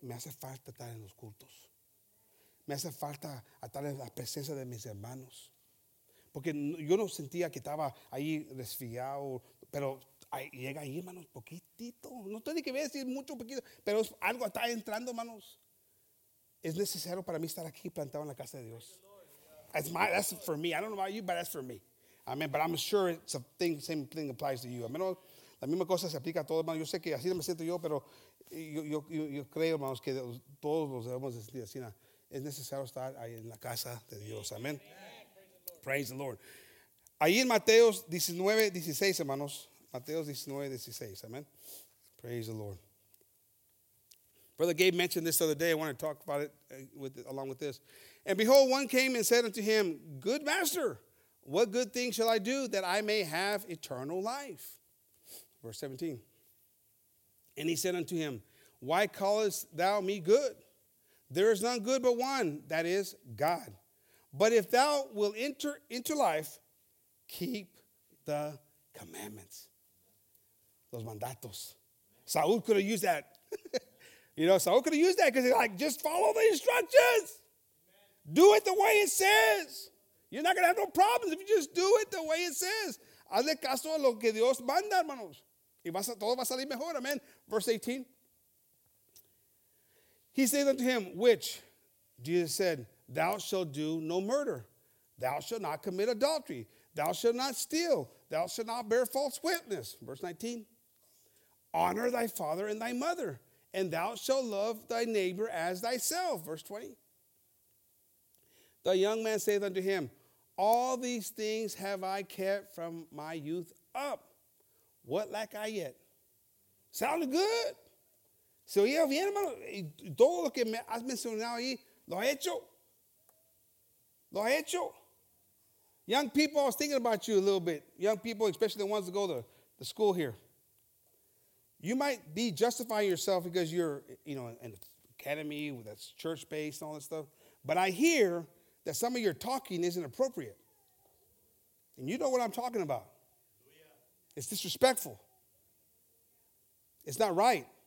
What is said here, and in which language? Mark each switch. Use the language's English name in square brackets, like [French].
[Spanish] Me hace falta estar en los cultos. Me hace falta estar en la presencia de mis hermanos. Porque yo no sentía que estaba ahí resfriado, pero llega ahí, hermanos, poquitito. No tiene que ver si es mucho poquito, pero algo está entrando, hermanos. Es necesario para mí estar aquí plantado en la casa de Dios. [English] That's for me. I don't know about you, but that's for me. Amen. But I'm sure it's a thing, same thing applies to you. Amen. [Spanish] La misma cosa se aplica a todos, hermanos. Yo sé que así me siento yo, pero yo creo, hermanos, que todos nos debemos de sentir así. Es necesario estar ahí en la casa de Dios. Amen. [English] Praise the Lord. [Spanish] Ahí en Mateo 19, 16, hermanos. [English] Mateo 19, 16. Amen. Praise the Lord. Brother Gabe mentioned this the other day. I want to talk about it along with this. And behold, one came and said unto him, good master, what good thing shall I do that I may have eternal life? Verse 17. And he said unto him, why callest thou me good? There is none good but one, that is God. But if thou wilt enter into life, keep the commandments. [Spanish] Los mandatos. [English] Saul could have used that. You know, Saul could have used that because he's like, just follow the instructions. Amen. Do it the way it says. You're not going to have no problems if you just do it the way it says. [Spanish] Hazle caso a lo que Dios manda, hermanos. Y todo va a salir mejor, amen. [English] Verse 18. He said unto him, which? Jesus said, thou shalt do no murder. Thou shalt not commit adultery. Thou shalt not steal. Thou shalt not bear false witness. Verse 19. Honor thy father and thy mother. And thou shalt love thy neighbor as thyself. Verse 20. The young man saith unto him, all these things have I kept from my youth up. What lack I yet? Sounded good. [Spanish] Se oye bien, hermano. Todo lo que me has mencionado ahí, lo he hecho. Lo he hecho. [English] Young people, I was thinking about you a little bit. Young people, especially the ones that go to the school here. You might be justifying yourself because you're, you know, in an academy that's church-based and all that stuff. But I hear that some of your talking isn't appropriate. And you know what I'm talking about. It's disrespectful. It's not right.